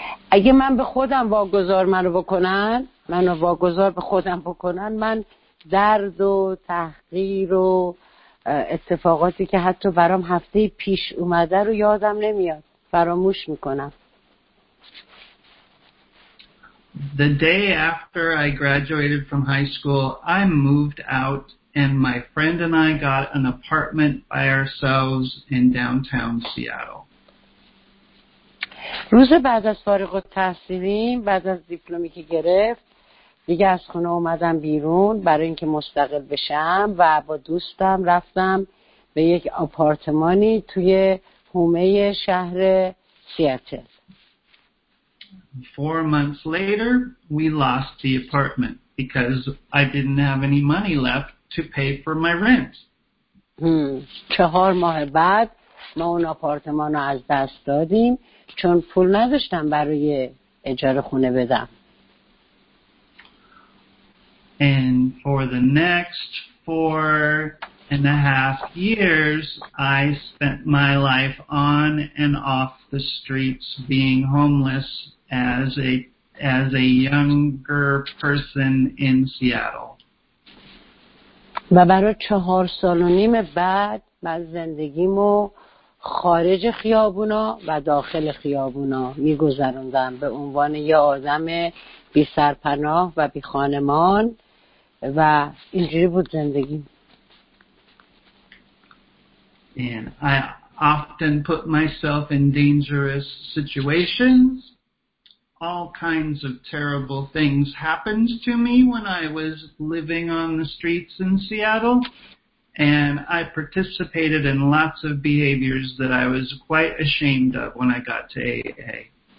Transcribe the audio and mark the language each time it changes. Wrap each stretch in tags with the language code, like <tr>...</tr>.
<fa>اگه من به خودم واگذار منو بکنن، منو واگذار به خودم بکنن، من درد و تحقیر و اتفاقاتی که حتی برام هفته پیش اومده رو یادم نمیاد، فراموش میکنم.</fa> <en>The day after I graduated from high school, I moved out and my friend and I got an apartment by ourselves in downtown Seattle.</en> <fa>روز بعد از فارغ التحصیلیم، بعد از دیپلمی که گرفت، دیگه از خونه اومدم بیرون برای اینکه مستقل بشم و با دوستم رفتم به یک آپارتمانی توی حومه شهر سیاتل.</fa> <en>4 months later, we lost the apartment because I didn't have any money left to pay for my rent. 4 months</en> <fa>بعد ما اون آپارتمان رو از دست دادیم چون پول نداشتم برای اجاره خونه بدم.</fa> <en>And for the next 4.5 years, I spent my life on and off the streets being homeless as a younger person in Seattle.</en> <fa>و برای 4.5 سال بعد من زندگیمو خارج خیابونا و داخل خیابونا میگذروندم به عنوان یه آدم بی سرپناه و بی خانمان و اینجوری بود زندگی.</fa> <en>And I often put myself in dangerous situations. All kinds of terrible things happened to me when I was living on the streets in Seattle, and I participated in lots of behaviors that I was quite ashamed of when I got to AA.</en>